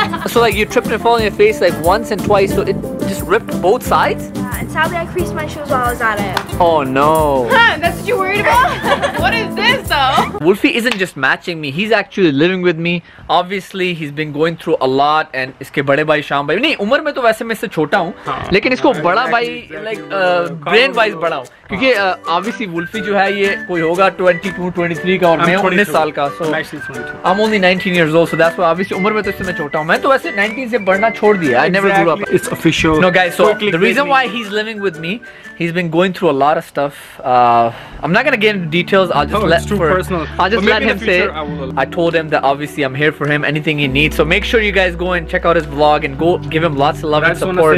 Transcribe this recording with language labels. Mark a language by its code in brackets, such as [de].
[en] So like you tripped and fell on your face like once and twice, so it just ripped both sides? Yeah, and sadly I creased my shoes while I was at it. Oh no. That's what you're worried about? What is this though? Wolfie isn't just matching me, he's actually living with me. Obviously, he's been going through a lot [hi] और इसके बड़े भाई शाम भाई. नहीं, उमर में तो वैसे मैं इससे छोटा हूँ. लेकिन इसको बड़ा भाई, [en] like brain wise [hi] बड़ा हूँ. क्योंकि obviously वुल्फ़ी जो है ये कोई होगा 22, 23 का और मैं 19 साल का. [en] So, I'm only 19 years old, so that's why obviously [hi] Umar में तो इससे मैं छोटा हूँ. मैं तो वैसे 19 से बढ़ना छोड़ दिया. [en] I never grew up. It's official. No guys, so the reason why he's living with me, he's been going through a lot of stuff. I'm not gonna get into details. I'll just let him say. I told him that obviously I'm here for him, anything he needs. So make sure you guys go and check out his vlog and go give him lots of love and support.